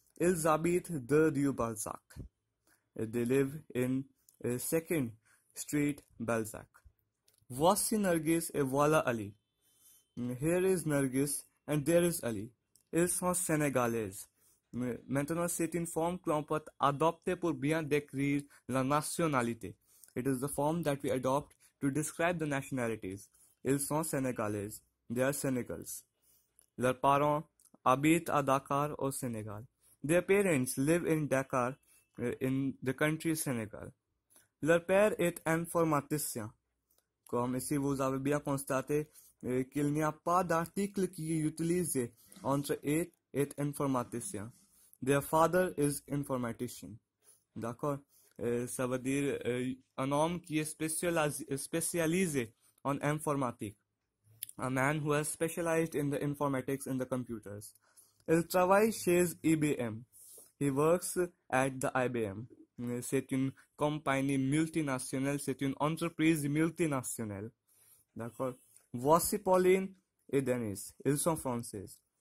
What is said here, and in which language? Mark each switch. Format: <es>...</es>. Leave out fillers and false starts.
<fr>Ils habitent de rue Balzac.</fr> <en>They live in Second Street, Balzac.</en> <fr>Voici Nargis et voilà Ali.</fr> <en>Here is Nargis and there is Ali.</en> <fr>Ils sont sénégalaises. Maintenant, c'est une forme que l'on peut adopter pour bien décrire la nationalité.</fr> <en>It is the form that we adopt to describe the nationalities.</en> <fr>Ils sont sénégalaises.</fr> <en>They are Senegals.</en> <fr>Leurs parents habitent à Dakar au Sénégal.</fr> <en>Their parents live in Dakar, in the country Senegal.</en> <fr>Leur père est informaticien. Comme ici, vous avez bien constaté qu'il n'y a pas d'article qui est utilisé entre et informaticien.</fr> <en>Their father is informatician.</en> <fr>D'accord? Ça veut dire un homme qui est spécialisé en informatique.</fr> <en>A man who has specialized in the informatics in the computers.</en> <fr>Il travaille chez IBM.</fr> <en>He works at the IBM.</en> <fr>C'est une compagnie multinationale. C'est une entreprise multinationale. D'accord? Voici Pauline et Denis. Ils sont français.</fr>